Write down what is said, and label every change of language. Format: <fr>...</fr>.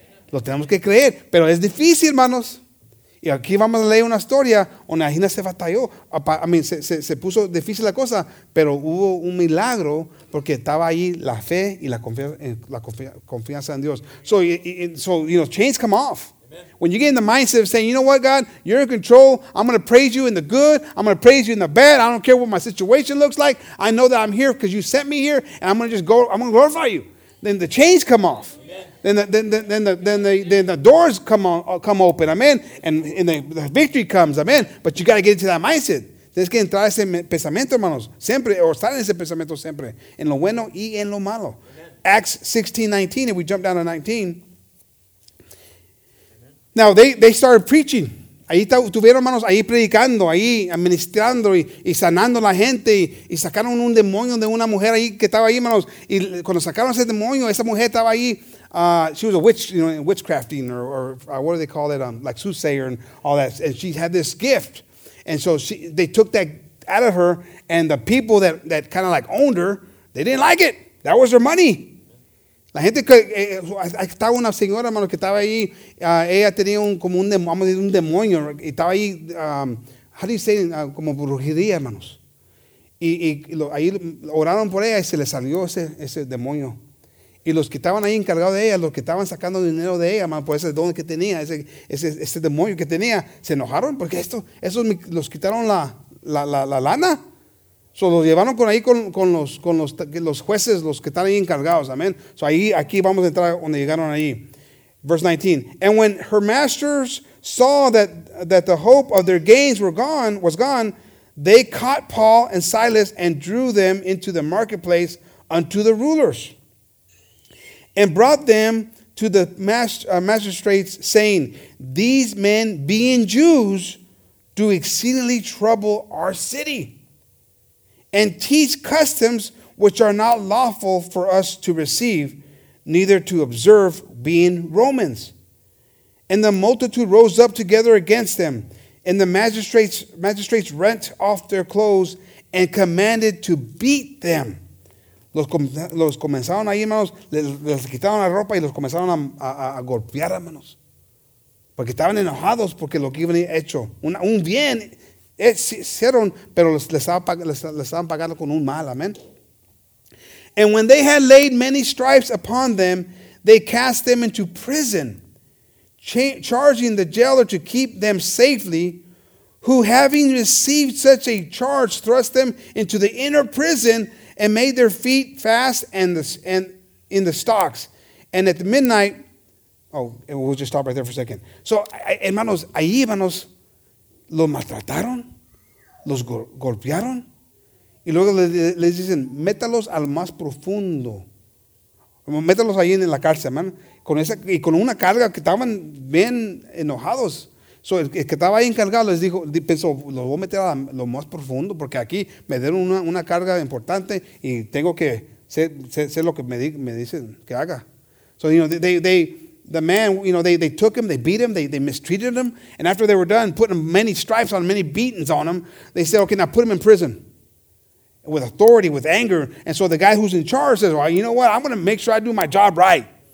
<es>Lo tenemos que creer, pero es difícil, hermanos. Y aquí vamos a leer una historia donde Agina se batalló. Se puso difícil la cosa, pero hubo un milagro porque estaba ahí la fe y la confianza en Dios.</es> <en>So, you know, chains come off. Amen. When you get in the mindset of saying, you know what, God, you're in control. I'm going to praise you in the good. I'm going to praise you in the bad. I don't care what my situation looks like. I know that I'm here because you sent me here, and I'm going to just go. I'm going to glorify you. Then the chains come off. Then the doors come open, amen, and the victory comes, amen. But you got to get into that mindset.</en> <es>Tienes que entrar ese pensamiento, hermanos, siempre, o estar en ese pensamiento siempre, en lo bueno y en lo malo.</es> <en>Amen. Acts 16:19, if we jump down to 19. Amen. Now they started preaching.</en> <es>Ahí estuvieron, hermanos, ahí predicando, ahí administrando y sanando a la gente y sacaron un demonio de una mujer ahí que estaba ahí, hermanos. Y cuando sacaron ese demonio, esa mujer estaba ahí.</es> <en>She was a witch, you know, witchcrafting or what do they call it? Like soothsayer and all that. And she had this gift. And so they took that out of her, and the people that kind of like owned her, they didn't like it. That was her money.</en> <es>La gente que estaba una señora, hermano, que estaba ahí, ella tenía un demonio, y estaba ahí,</es> <en>how do you say,</en> <es>como brujería, hermanos. Y ahí oraron por ella y se le salió ese demonio. Y los que estaban ahí encargados de ella, los que estaban sacando dinero de ella, hermano, por ese don que tenía, ese demonio que tenía, se enojaron porque esos los quitaron la lana. So los llevaron con ahí con los jueces, los que están ahí encargados. Amén. So ahí, aquí vamos a entrar donde llegaron ahí.</es> <en>Verse 19. And when her masters saw that the hope of their gains was gone, they caught Paul and Silas and drew them into the marketplace unto the rulers. And brought them to the magistrates, saying, these men, being Jews, do exceedingly trouble our city. And teach customs which are not lawful for us to receive, neither to observe, being Romans. And the multitude rose up together against them, and the magistrates rent off their clothes and commanded to beat them.</en> <es>Los comenzaron ahí, hermanos, les quitaron la ropa y los comenzaron a golpear, hermanos. Porque estaban enojados porque lo que habían hecho, un bien. Hicieron, pero les estaban pagando con un mal, amen.</es> <en>And when they had laid many stripes upon them, they cast them into prison, charging the jailer to keep them safely, who having received such a charge, thrust them into the inner prison and made their feet fast and in the stocks. And at midnight, we'll just stop right there for a second.</en> <es>So, hermanos, ahí, hermanos, los maltrataron. Los golpearon y luego les dicen, métalos al más profundo. Métalos ahí en la cárcel, hermano. Y con una carga que estaban bien enojados. So, el que estaba ahí encargado les dijo, pensó, los voy a meter a lo más profundo porque aquí me dieron una carga importante y tengo que hacer lo que me dicen que haga.</es> <en>So, you know, the man, you know, they took him, they beat him, they mistreated him. And after they were done putting many stripes on him, many beatings on him, they said, okay, now put him in prison with authority, with anger. And so the guy who's in charge says, well, you know what? I'm going to make sure I do my job right.</en>